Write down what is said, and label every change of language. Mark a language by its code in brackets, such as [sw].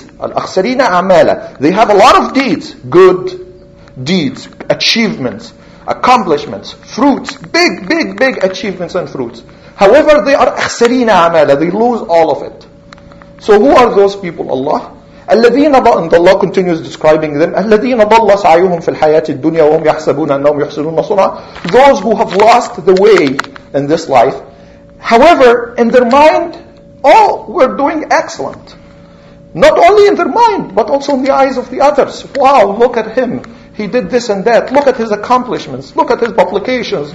[ar] الْأَخْسَرِينَ أَعْمَالَ [en] They have a lot of deeds. Good deeds, achievements, accomplishments, fruits, big achievements and fruits. However, they are [ar] أَخْسَرِينَ أَعْمَالَ [en] They lose all of it. So who are those people? Allah. [ar] الَّذِينَ ضَلَّ [en] And Allah continues describing them. [ar] الَّذِينَ ضَلَّ سَعَيُهُمْ فِي الْحَيَاةِ الدُّنْيَا وَهُمْ يَحْسَبُونَ أَنَّهُمْ يُحْسِنُونَ صُنْعًا [en] Those who have lost the way in this life. However, in their mind, all were doing excellent. Not only in their mind, but also in the eyes of the others. Wow, look at him. He did this and that. Look at his accomplishments. Look at his publications.